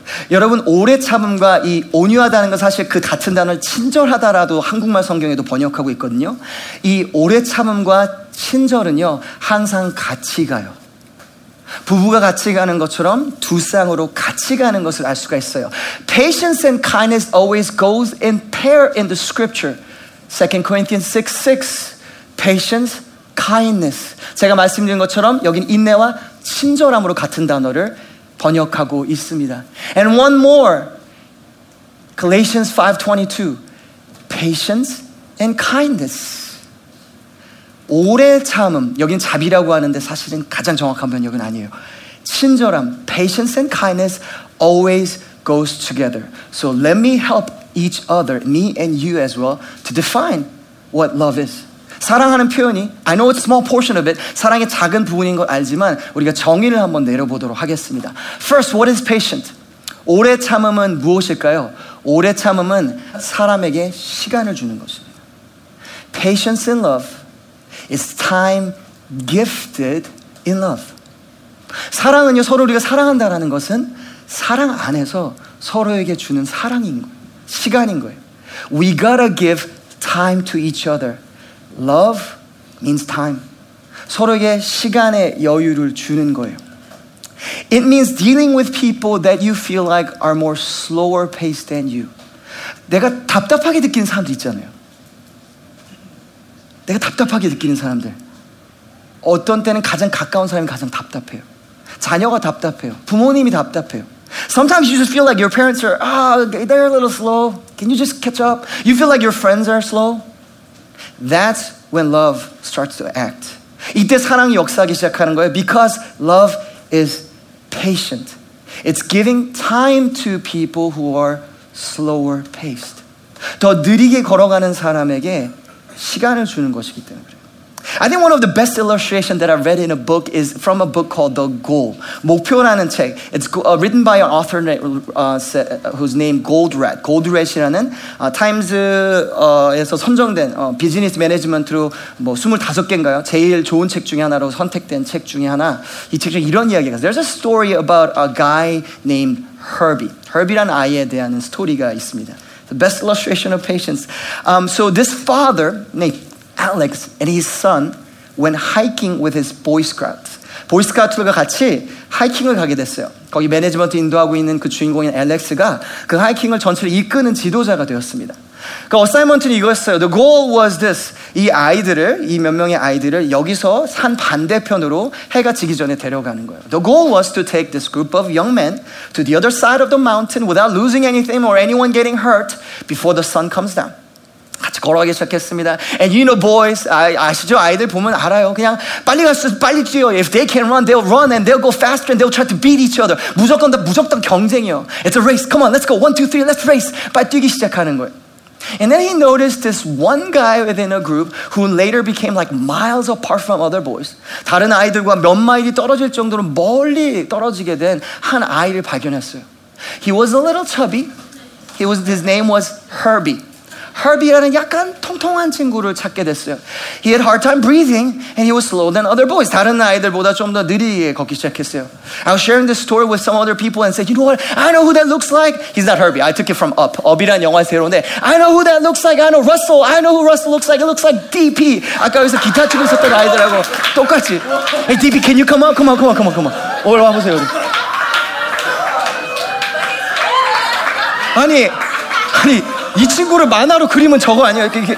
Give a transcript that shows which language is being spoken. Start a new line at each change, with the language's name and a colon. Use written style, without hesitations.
Korean: 여러분, 오래 참음과 이 온유하다는 건 사실 그 같은 단어를 친절하다라도 한국말 성경에도 번역하고 있거든요. 이 오래 참음과 친절은요, 항상 같이 가요. 부부가 같이 가는 것처럼 두 쌍으로 같이 가는 것을 알 수가 있어요.
English: Patience and kindness always goes in pair in the scripture. 2 Corinthians 6:6. Patience, kindness.
Korean: 제가 말씀드린 것처럼 여긴 인내와 친절함으로 같은 단어를 번역하고 있습니다.
English: And one more. Galatians 5:22, patience and kindness.
Korean: 오래 참음, 여긴 자비라고 하는데 사실은 가장 정확한 번역은 아니에요.
English: 친절함, patience and kindness always goes together. So let me help each other, me and you as well, to define what love is.
Korean: 사랑하는 표현이,
English: I know it's a small portion of it,
Korean: 사랑의 작은 부분인 걸 알지만 우리가 정의를 한번 내려보도록 하겠습니다.
English: First, what is patient?
Korean: 오래 참음은 무엇일까요? 오래 참음은 사람에게 시간을 주는 것입니다.
English: Patience in love is time gifted in love.
Korean: 사랑은요, 서로 우리가 사랑한다라는 것은 사랑 안에서 서로에게 주는 사랑인 거예요. 시간인 거예요.
English: We gotta give time to each other. Love means time.
Korean: 서로에게 시간의 여유를 주는 거예요.
English: It means dealing with people that you feel like are more slower paced than you.
Korean: 내가 답답하게 느끼는 사람들 있잖아요. 내가 답답하게 느끼는 사람들. 어떤 때는 가장 가까운 사람이 가장 답답해요. 자녀가 답답해요. 부모님이 답답해요.
English: Sometimes you just feel like your parents are, they're a little slow. Can you just catch up? You feel like your friends are slow. That's when love starts to act.
Korean: 이때 사랑이 역사하기 시작하는 거예요.
English: Because love is patient. It's giving time to people who are slower paced.
Korean: 더 느리게 걸어가는 사람에게 시간을 주는 것이기 때문에 그래요.
English: I think one of the best illustrations that I read in a book is from a book called The Goal.
Korean: 목표라는 책.
English: It's written by an author whose name Goldratt.
Korean: Goldratt이라는 타임즈에서 선정된 비즈니스 매니지먼트로 뭐 25개인가요? 제일 좋은 책 중에 하나로 선택된 책 중에 하나. 이 책 중에 이런 이야기가 있어요.
English: There's a story about a guy named Herbie.
Korean: Herbie라는 아이에 대한 스토리가 있습니다.
English: The best illustration of patience. So this father named Alex and his son went hiking with his Boy Scouts.
Korean: Boy Scouts가 같이 하이킹을 가게 됐어요. 거기 매니지먼트 인도하고 있는 그 주인공인 Alex가 그 하이킹을 전체를 이끄는 지도자가 되었습니다. 그 어사이먼트는 이거였어요.
English: The goal was this.
Korean: 이 아이들을, 이 몇 명의 아이들을 여기서 산 반대편으로 해가 지기 전에 데려가는 거예요.
English: The goal was to take this group of young men to the other side of the mountain without losing anything or anyone getting hurt before the sun comes down.
Korean: 같이 걸어가기 시작했습니다.
English: And you know boys,
Korean: 아시죠? 아이들 보면 알아요. 그냥 빨리 갈 수, 빨리 뛰어요.
English: If they can run, they'll run and they'll go faster and they'll try to beat each other.
Korean: 무조건 다 무조건 경쟁이요.
English: It's a race. Come on, let's go. One, two, three, let's race.
Korean: 빨리 뛰기 시작하는 거예요.
English: And then he noticed this one guy within a group who later became like miles apart from other boys.
Korean: 다른 아이들과 몇 마일이 떨어질 정도로 멀리 떨어지게 된 한 아이를 발견했어요.
English: He was a little chubby. His name was Herbie.
Korean: Herbie라는 약간 통통한 친구를 찾게 됐어요.
English: He had a hard time breathing and he was slower than other boys.
Korean: 다른 아이들보다 좀 더 느리게 걷기 시작했어요.
English: I was sharing this story with some other people and said, you know what? I know who that looks like. He's not Herbie. I took it from Up.
Korean: Up이라는 영화 새로운데
English: I know who that looks like. I know Russell. I know who Russell looks like. It looks like DP.
Korean: 아까 여기서 기타 치고 있었던 아이들하고 똑같이.
English: Hey, DP, can you come on? Come on, come on, come on, come on.
Korean: 올라와 보세요, 여기. 아니. 이 친구를 만화로 그림은 저거 아니에요?